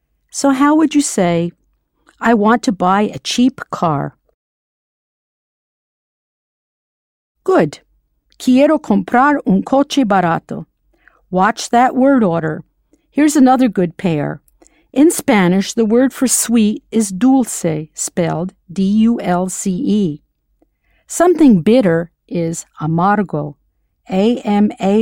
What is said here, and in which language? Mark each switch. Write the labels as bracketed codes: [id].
[en] So how would you say, I want to buy a cheap car? Good. [es] Quiero comprar un coche barato. [en] Watch that word order. Here's another good pair. In Spanish, the word for sweet is dulce, spelled D-U-L-C-E. Something bitter is amargo, A-M-A-R-G-O.